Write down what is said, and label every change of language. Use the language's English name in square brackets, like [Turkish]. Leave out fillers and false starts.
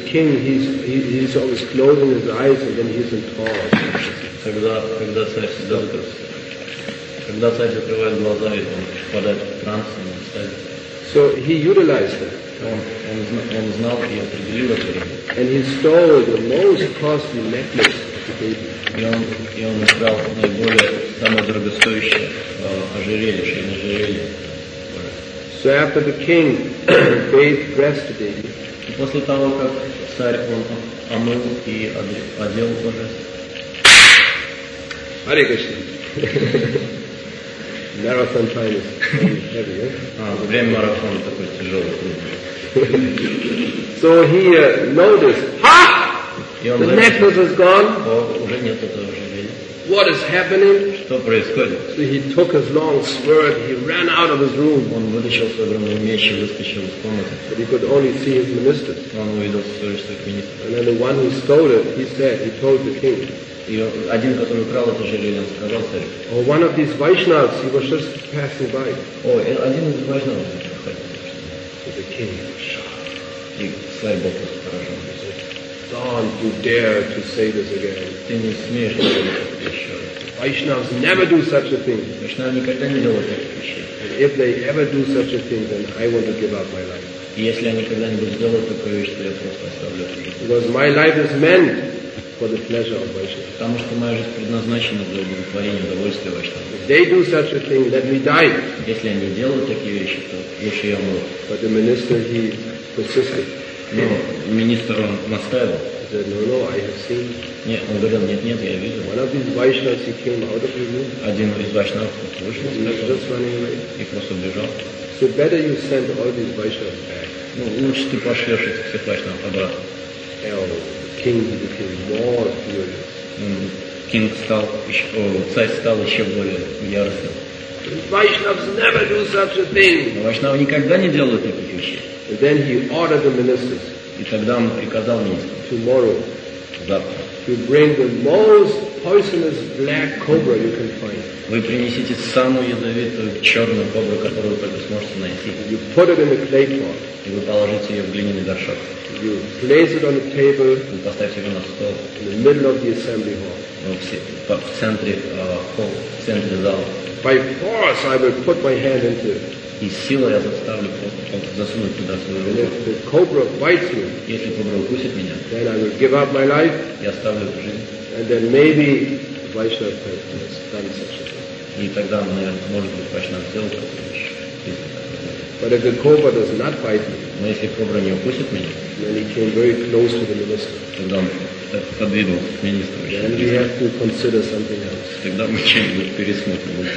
[English] king, he's always closing his eyes and then he's in tall. [Russian] Когда царь закрывает глаза, и он впадает в транс, и он встает. [English] So he utilized that. [Russian] Он знал и определил это время. [English] And he stole the most costly necklace of the baby. [Russian] И он украл наиболее самое дорогостоящее ожерелье, шейное ожерелье. [English] So after the king bathed, dressed the baby. [Russian] И после того, как царь он омыл и одел божество. [Sanskrit] Hare Krishna. [English] Marathon time is heavy, eh? [Russian] Время марафона такой тяжелый. [English] So he noticed, ha! The necklace is gone. [Russian] Уже нет этого ожерелья. [English] What is happening? [Russian] Что происходит? [English] So he took his long sword, he ran out of his room. [Russian] Он вытащил свой огромный меч и выскочил из комнаты. [English] But he could only see his ministers. [Russian] Он увидел всего лишь своих министров. [English] And then the one who stole it, he said, he told the king. [Russian] И один, который украл это жилье, сказал царю. [English] Or one of these Vaishnavas, he was just passing by. [Russian] Один из Вайшнавов. [English] So the king was shocked. [Russian] И царь был просто поражен. [English] Don't you dare to say this again. [Russian] Ты не смеешь говорить такие вещи. [English] Vaishnavas never do such a thing. [Russian] Вайшнавы никогда не делают таких вещей. [English] And if they ever do such a thing, then I want to give up my life. [Russian] И если они когда-нибудь сделают такое вещь, то я просто оставлю это. [English] Because my life is meant for the pleasure of Vaishnava. [Russian] Потому что моя жизнь предназначена для удовлетворения удовольствия Вайшнава. [English] If they do such a thing, let me die. [Russian] Если они делают такие вещи, то лучше я умру. [English] But the minister, he persisted. [Russian] Но министр он настаивал. [English] He said, no, no, I have seen. [Russian] Нет, он говорил, нет, я видел. [English] One of these Vaishnavas, he came out of the room. [Russian] Один из Вайшнавов вышел из этого. И просто убежал. [English] So better you send all these Vaishnavas back. [Russian] Ну, лучше ты пошлешь этих всех Вайшнавов обратно. [English] King became more furious. [Russian] King стал еще, царь стал еще более яростным. [English] Vaishnavas never do such a thing. [Russian] Вайшнавы никогда не делают таких вещей. [English] And then he ordered the ministers. [Russian] И тогда он приказал министрам. [English] Tomorrow. [Russian] Завтра. [English] To bring the most poisonous black cobra you can find. [Russian] Вы принесите самую ядовитую черную кобру, которую вы только сможете найти. [English] You put it in a clay pot. [Russian] И вы положите ее в глиняный горшок. [English] You place it on the table. [Russian] Вы поставите ее на стол. [English] In the middle of the assembly hall. [Russian] В центре зала. [English] By force I will put my hand into it. [Russian] И силой я заставлю просто засунуть туда свою руку. [English] If the cobra bites me, [Russian] если кобра укусит меня, [English] then I will give up my life. [Russian] Я оставлю эту жизнь. [English] And then maybe Vaishnav has done such a thing. [Russian] И тогда, наверное, может быть, Vaishnav сделал такую вещь. [English] But if the cobra does not bite me, [Russian] но если кобра не укусит меня, [English] then he came very close to the minister. [Russian] Тогда он подвинулся к министру. [English] Then we have to consider something else. [Russian] Тогда мы что-нибудь пересмотрим.